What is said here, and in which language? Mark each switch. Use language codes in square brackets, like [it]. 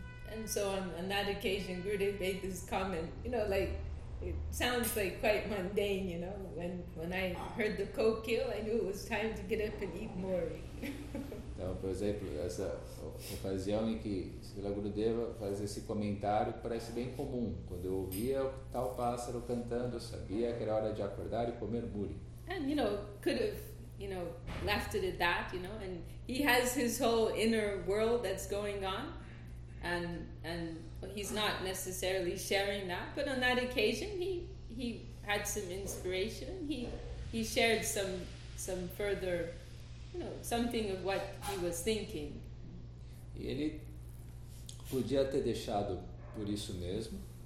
[en] And so on that occasion, Gurudev made this comment. You know, like it sounds like quite mundane. You know, when I heard the kokil, I knew it was time to get up and eat more. [pt] Então, por exemplo, essa ocasião em que Srila Gurudeva faz esse comentário que parece bem comum. Quando eu ouvia o tal pássaro cantando, eu sabia que era hora de acordar e comer muri. [en] And, you know, could have, you know, left it at that, you know, and he has his whole inner world that's going on, and he's not necessarily sharing that, but on that occasion he had some inspiration, he shared some further, you know, something of what he was thinking. [pt] Ele podia ter deixado por isso mesmo.